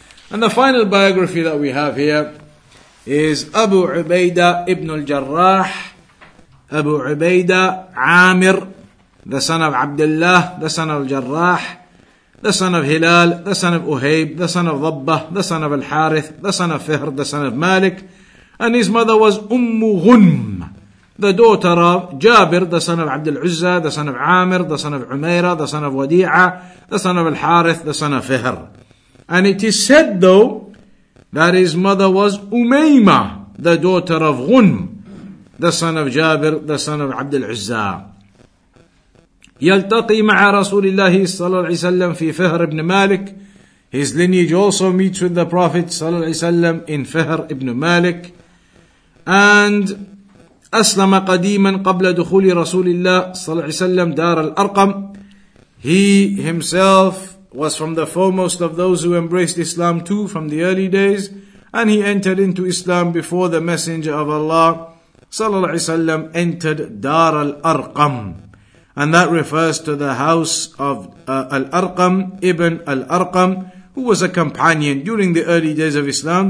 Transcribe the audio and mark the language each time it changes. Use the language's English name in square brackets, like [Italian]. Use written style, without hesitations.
[English] And the final biography that we have here is Abu Ubaidah ibn al-Jarrah, Abu Ubaidah Amir, the son of Abdullah, the son of Jarrah, the son of Hilal, the son of Uhayb, the son of Dabbah, the son of Al-Harith, the son of Fihr, the son of Malik, and his mother was Ummu Ghunm, the daughter of Jabir, the son of Abdul Uzza, the son of Amir, the son of Umayra, the son of Wadi'ah, the son of Al-Harith, the son of Fihr. And it is said though that his mother was Umayma, the daughter of Ghunm, the son of Jabir, the son of Abdul Uzza. [Arabic] يلتقي مع رسول الله صلى الله عليه وسلم في فهر ابن مالك. [English] His lineage also meets with the Prophet صلى الله عليه وسلم in فهر ابن مالك. [Arabic] And أسلم قديما قبل دخول رسول الله صلى الله عليه وسلم دار الأرقم. [English] He himself was from the foremost of those who embraced Islam too from the early days, and he entered into Islam before the Messenger of Allah صلى الله عليه وسلم entered دار الأرقم. And that refers to the house of Al-Arqam, Ibn Al-Arqam, who was a companion during the early days of Islam.